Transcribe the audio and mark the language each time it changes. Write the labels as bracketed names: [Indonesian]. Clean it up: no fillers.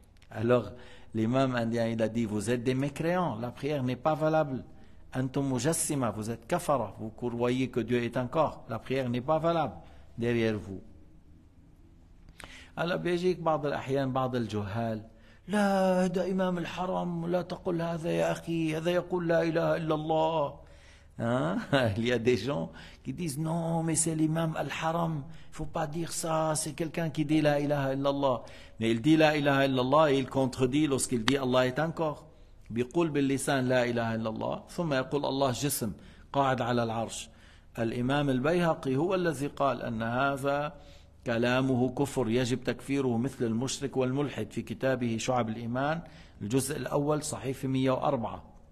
[French] Alors l'imam indien, il a dit, vous êtes des mécréants, la prière n'est pas valable. Antum, vous êtes kafara, vous croyez que Dieu est encore, la prière n'est pas valable derrière vous. [Arabic] Alors, بيجيك بعض الأحيان بعض الجهال لا هذا إمام الحرم لا تقل هذا يا أخي هذا يقول لا إله إلا الله. Hein? [French] Il y a des gens qui disent non, mais c'est l'imam al-Haram, il faut pas dire ça, c'est quelqu'un qui dit la ilaha illallah. Mais il dit la ilaha illallah et il contredit lorsqu'il dit Allah est encore. [Arabic] بيقول باللسان لا إله إلا الله ثم يقول الله جسم قاعد على العرش الإمام البيهقي هو الذي قال أن هذا كلامه كفر يجب تكفيره مثل المشرك والملحد في كتابه شعب الإيمان الجزء الأول صحيفة 104